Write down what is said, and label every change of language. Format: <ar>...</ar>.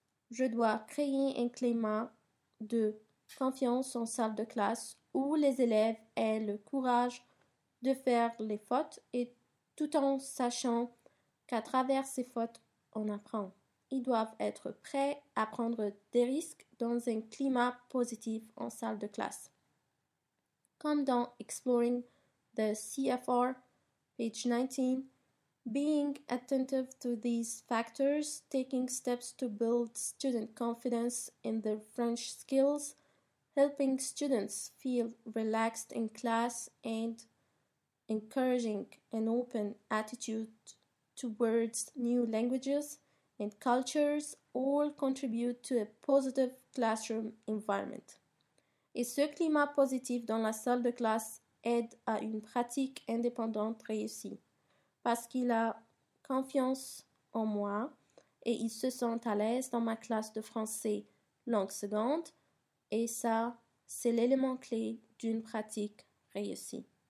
<fr>Je dois créer un climat de confiance en salle de classe où les élèves aient le courage de faire les fautes et tout en sachant qu'à travers ces fautes, on apprend. Ils doivent être prêts à prendre des risques dans un climat positif en salle de classe. Comme dans</fr> <en>Exploring the CFR, page 19, being attentive to these factors, taking steps to build student confidence in their French skills, helping students feel relaxed in class and encouraging an open attitude towards new languages and cultures all contribute to a positive classroom environment.</en> <fr>Et ce climat positif dans la salle de classe aide à une pratique indépendante réussie parce qu'il a confiance en moi et il se sent à l'aise dans ma classe de français langue seconde et ça, c'est l'élément clé d'une pratique réussie.</fr>